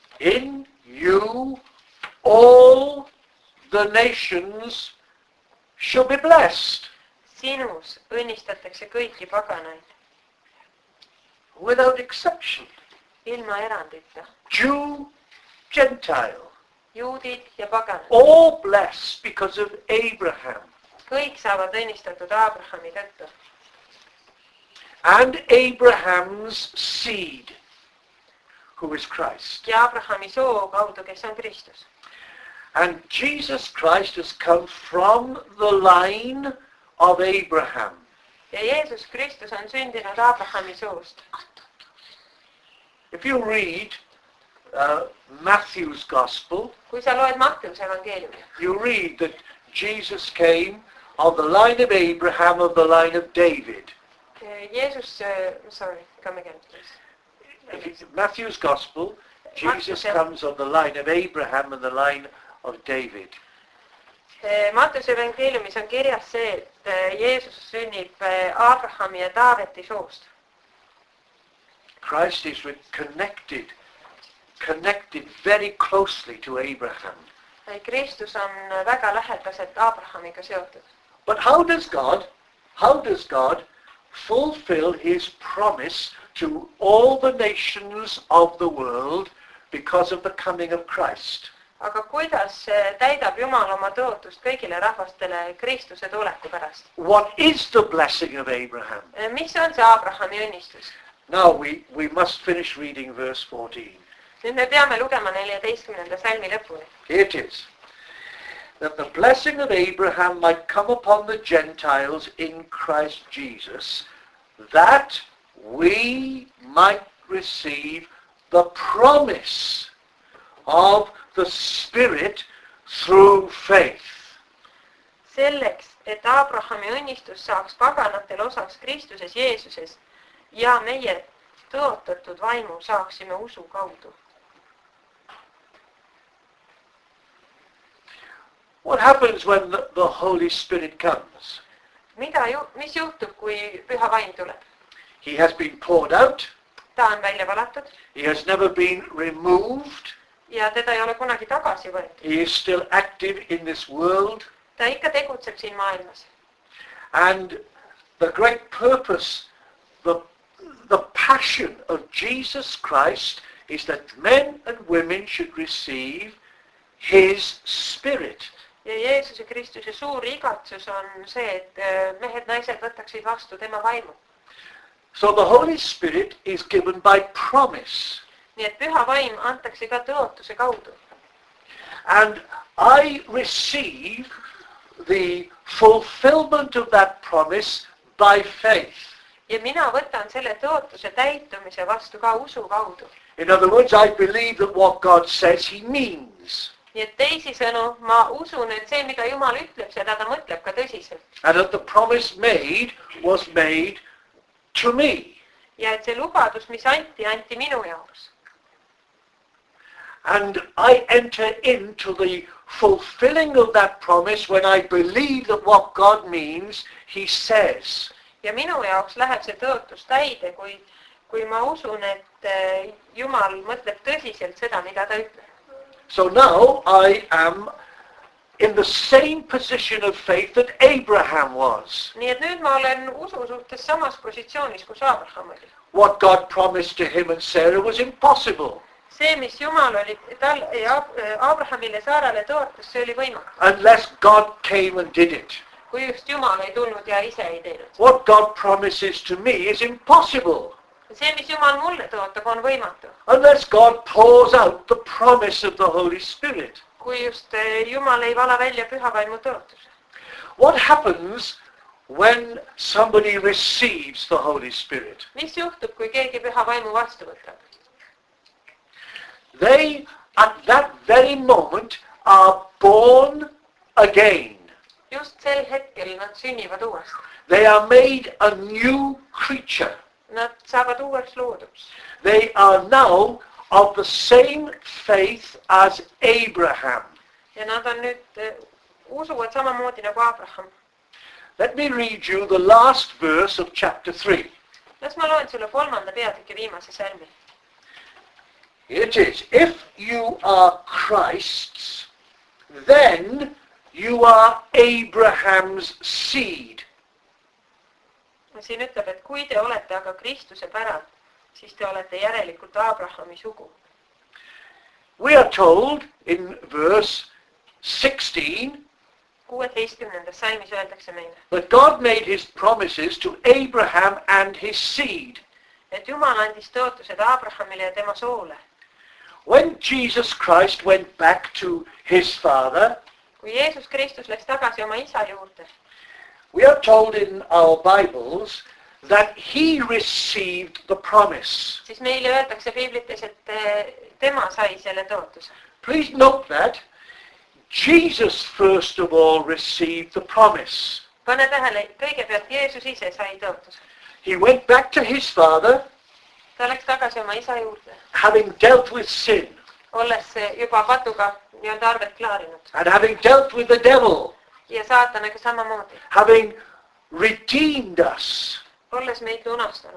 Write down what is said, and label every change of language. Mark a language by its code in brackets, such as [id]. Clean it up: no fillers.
[en] In you all the nations shall be blessed. [et] Sinus õnnistatakse kõiki paganaid. [en] Without exception. [et] Ilma erandita. [en] Jew, Gentile. [et] Juudid ja paganaid. [en] All blessed because of Abraham. [et] Kõik saavad õnnistatud Abrahami tõttu. [en] And Abraham's seed, who is Christ. [et] Ja Abrahami soo kaudu, kes on Kristus. [en] And Jesus Christ has come from the line of Abraham. [et] Ja Jeesus Kristus on sündinud Abrahami soost. [en] If you read Matthew's Gospel, [et] kui sa loed Matteuse evangeeliumi, [en] you read that Jesus came of the line of Abraham, of the line of David. Jeesus, sorry, come again, please. Matthew's Gospel, Jesus comes on the line of Abraham and the line of David. [et] Matteuse evangeeliumis on kirjas see, et Jeesus sünnib Abrahami ja Daaveti soost. [en] Christ is connected connected very closely to Abraham. [et] Kristus on väga lähedaselt Abrahamiga seotud. [en] But how does God fulfill his promise to all the nations of the world because of the coming of Christ? [et] Aga kuidas täidab Jumal oma tõotust kõigile rahvastele Kristuse tuleku pärast? [en] What is the blessing of Abraham? [et] Mis on see Abrahami õnnistus? [en] Now we must finish reading verse 14. [et] Nüüd me peame lugema 14. salmi lõpuni. [en] It is. That the blessing of Abraham might come upon the Gentiles in Christ Jesus, that we might receive the promise of the Spirit through faith. [et] Selleks, et Abrahami õnnistus saaks paganatel osaks Kristuses Jeesuses ja meie tõotatud vaimu saaksime usu kaudu. [en] What happens when the Holy Spirit comes? [et] Mis juhtub, kui püha vaim tuleb? [en] He has been poured out. [et] Ta on välja valatud. [en] He has never been removed. [et] Ja teda ei ole kunagi tagasi võetud. [en] He is still active in this world. [et] Ta ikka tegutseb siin maailmas. [en] And the great purpose, the passion of Jesus Christ is that men and women should receive his Spirit. [et] Ja Jeesuse Kristuse suur igatsus on see, et mehed naised võtaksid vastu tema vaimu. [en] So the Holy Spirit is given by promise. [et] Nii et püha vaim antakse ka tõotuse kaudu. [en] And I receive the fulfillment of that promise by faith. [et] Ja mina võtan selle tõotuse täitumise vastu ka usu kaudu. [en] In other words, I believe that what God says he means. [et] Nii et teisi sõnu, ma usun, et see, mida Jumal ütleb, seda ta mõtleb ka tõsiselt. [en] And that the promise made was made to me. [et] Ja et see lubadus, mis anti minu jaoks. [en] And I enter into the fulfilling of that promise when I believe that what God means, he says. [et] Ja minu jaoks läheb see tõotus täide, kui ma usun, et Jumal mõtleb tõsiselt seda, mida ta ütleb. [en] So now I am in the same position of faith that Abraham was. [et] Nii et nüüd ma olen usu suhtes samas positsioonis, kus Abraham oli. [en] What God promised to him and Sarah was impossible. [et] See, mis Jumal oli tal ja Abrahamile Saarale tootus, see oli võimatu. [en] Unless God came and did it. [et] Kui just Jumal ei tulnud ja ise ei teinud. [en] What God promises to me is impossible. [et] See, mis Jumal mulle tootab, on võimatu. [en] Unless God pours out the promise of the Holy Spirit. [et] Kui just Jumal ei vala välja püha vaimu tootuse. [en] What happens when somebody receives the Holy Spirit? [et] Mis juhtub, kui keegi püha vaimu vastu võtab? [en] They, at that very moment, are born again. [et] Just sel hetkel nad sünnivad uuesti. [en] They are made a new creature. [et] Nad saavad uueks looduks. [en] They are now of the same faith as Abraham. [et] Ja nad on nüüd usuvad samamoodi nagu Abraham. [en] Let me read you the last verse of chapter 3. [et] Las ma loen sulle kolmanda peatükki viimase salmi. [en] It is, if you are Christ's, then you are Abraham's seed. [et] Siin ütleb, et kui te olete aga Kristuse päral, siis te olete järelikult Abrahami sugu. [en] We are told in verse 16, [et] 16. salmis öeldakse meile, [en] that God made his promises to Abraham and his seed. [et] Et Jumal andis tõotused Abrahamile ja tema soole. [en] When Jesus Christ went back to his father, [et] kui Jeesus Kristus läks tagasi oma isa juurde, [en] we are told in our Bibles that he received the promise. [et] Siis meile öeldakse Biblites, et tema sai selle tootuse. [en] Please note that Jesus first of all received the promise. [et] Pane tähele, kõigepealt Jeesus ise sai tootuse. [en] He went back to his father. [et] Ta läks tagasi oma isa juurde. [en] Having dealt with sin. [et] Olles juba patuga nii-öelda arvet klaarinud. [en] And having dealt with the devil. [et] Ja saatanaga samamoodi. [en] Having redeemed us. [et] olles meid lunastanud.